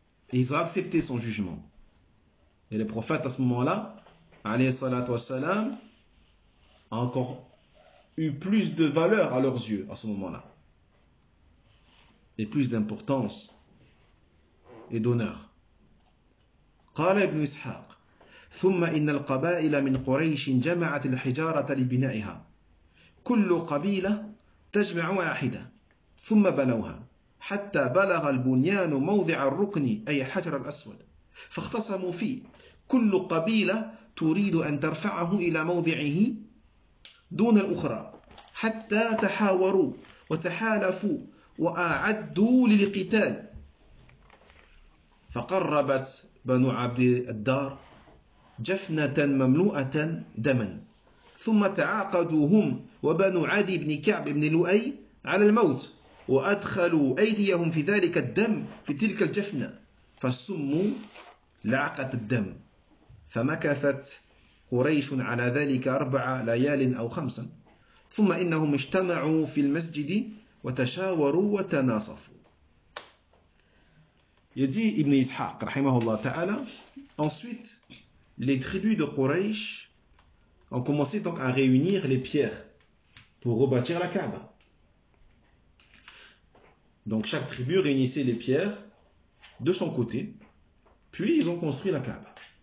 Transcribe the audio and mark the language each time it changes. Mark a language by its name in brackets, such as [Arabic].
[French] Et ils ont accepté son jugement. Et le prophète, à ce moment-là, alayhi salatu wa sallam, a encore eu plus de valeur à leurs yeux, à ce moment-là. Et plus d'importance et d'honneur. [Arabic] قال ابن إسحاق ثم إن القبائل من قريش جمعت الحجارة لبنائها كل قبيلة تجمع واحدة ثم بنوها حتى بلغ البنيان موضع الركن أي حجر الأسود فاختصموا فيه كل قبيلة تريد أن ترفعه إلى موضعه دون الأخرى حتى تحاوروا وتحالفوا وأعدوا للقتال فقربت بنو عبد الدار جفنة مملوءة دما ثم تعاقدوا هم وبنو عدي بن كعب بن لؤي على الموت وأدخلوا أيديهم في ذلك الدم في تلك الجفنة فسموا لعقة الدم فمكثت قريش على ذلك 4 ليال أو 5 ثم إنهم اجتمعوا في المسجد وتشاوروا وتناصفوا. [French] Il dit Ibn Ishaq, rahimahullah ta'ala, ensuite, les tribus de Quraysh ont commencé donc à réunir les pierres pour rebâtir la Kaaba. Donc chaque tribu réunissait les pierres de son côté, puis ils ont construit la Kaaba.